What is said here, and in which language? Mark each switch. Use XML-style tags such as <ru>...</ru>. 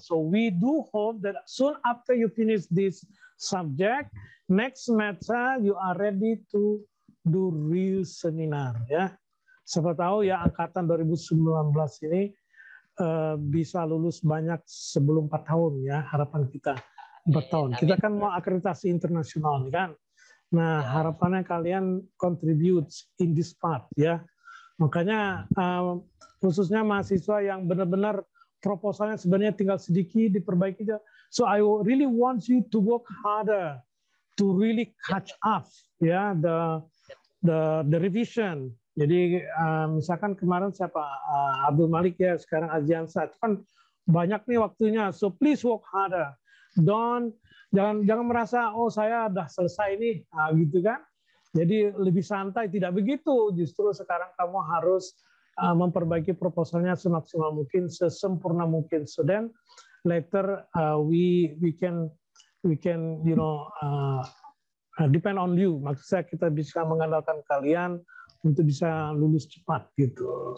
<en>So we do hope that soon after you finish this subject, next meta you are ready to do real seminar ya.</en> <id>Siapa tahu ya angkatan 2019 ini bisa lulus banyak sebelum 4 tahun ya, harapan kita 4 tahun. Kita kan mau akreditasi internasional nih kan. Nah, harapannya kalian</id> <en>contribute in this part</en> <id>ya. Makanya khususnya mahasiswa yang benar-benar proposalnya sebenarnya tinggal sedikit diperbaiki aja.</id> <en>So I really want you to work harder to really catch up ya, the revision.</en> <id>Jadi misalkan kemarin siapa Abdul Malik ya, sekarang Azian Sa, kan banyak nih waktunya.</id> <en>So please work harder.</en> <id>Jangan merasa oh saya udah selesai nih gitu kan. Jadi lebih santai, tidak begitu. Justru sekarang kamu harus memperbaiki proposalnya semaksimal mungkin, sesempurna mungkin.</id> <en>So then later we can you know depend on you.</en> <id>Maksudnya kita bisa mengandalkan kalian untuk bisa lulus cepat gitu.</id>